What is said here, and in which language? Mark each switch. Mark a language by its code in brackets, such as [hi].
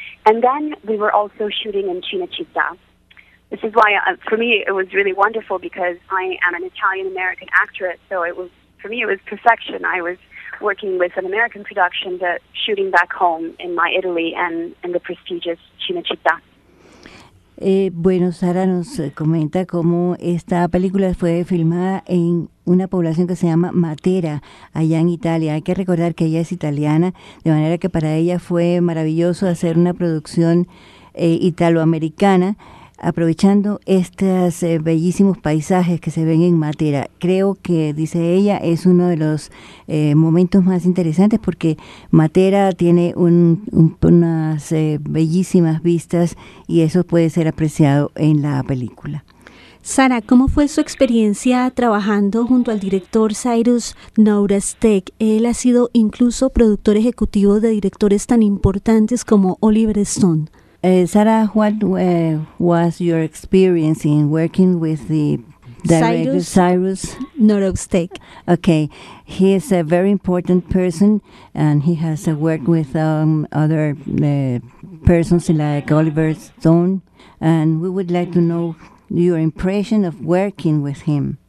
[en] And then we were also shooting in Cinecittà. This is why, for me, it was really wonderful because I am an Italian-American actress. So for me, it was perfection. I was working with an American production, but shooting back home in my Italy and in the prestigious Cinecittà. [es] Bueno, Sara nos comenta cómo esta película fue filmada en una población que se llama Matera, allá en Italia. Hay que recordar que ella es italiana, de manera que para ella fue maravilloso hacer una producción italoamericana, aprovechando estos bellísimos paisajes que se ven en Matera. Creo que, dice ella, es uno de los momentos más interesantes porque Matera tiene unas bellísimas vistas y eso puede ser apreciado en la película. Sara, ¿cómo fue su experiencia trabajando junto al director Cyrus Nouristek? Él ha sido incluso productor ejecutivo de directores tan importantes como Oliver Stone. [en] Sara, what was your experience in working with the Cyrus Norovstek. Okay, he is a very important person, and he has worked with other persons like Oliver Stone, and we would like to know your impression of working with him.